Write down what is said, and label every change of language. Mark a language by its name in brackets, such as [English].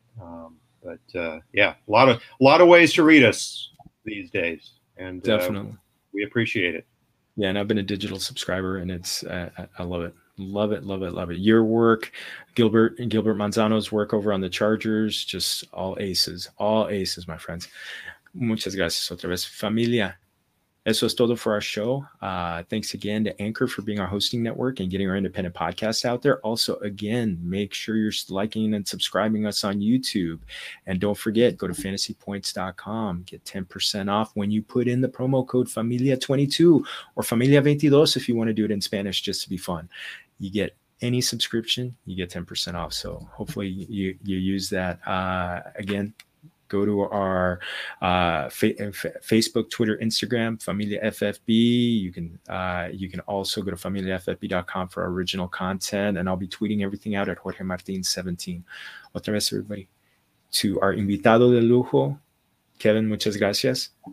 [English] A lot of ways to read us these days, and definitely we appreciate it. Yeah, and I've been a digital subscriber, and it's I love it. Love it, love it, love it. Your work, Gilbert and Gilbert Manzano's work over on the Chargers, just all aces, my friends. [Spanish] Muchas gracias otra vez, familia. Eso es todo [English] for our show. Thanks again to Anchor for being our hosting network and getting our independent podcast out there. Also, again, make sure you're liking and subscribing us on YouTube. And don't forget, go to fantasypoints.com. Get 10% off when you put in the promo code FAMILIA22 or FAMILIA22 if you want to do it in Spanish just to be fun. You get any subscription, you get 10% off. So hopefully you use that again. Go to our Facebook, Twitter, Instagram, Familia FFB. You can also go to familiaffb.com for our original content. And I'll be tweeting everything out at Jorge Martin 17. [Spanish] Otra vez, [English] everybody. To our [Spanish] invitado de lujo, Kevin, muchas gracias.